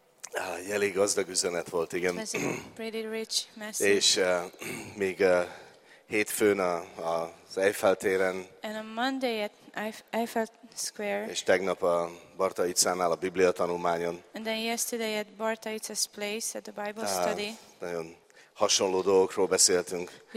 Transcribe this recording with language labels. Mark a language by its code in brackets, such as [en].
[hu] Ah, elég gazdag üzenet volt, igen. [en] That's a pretty rich message. [hu] És még hétfőn az Eiffel téren. [en] And on Monday at Eiffel Square. [hu] És tegnap a Barta Itzánál a Biblia tanulmányon. [en] And then yesterday at Barta Itza's place at the Bible study. [hu] Nagyon hasonló dolgokról beszéltünk.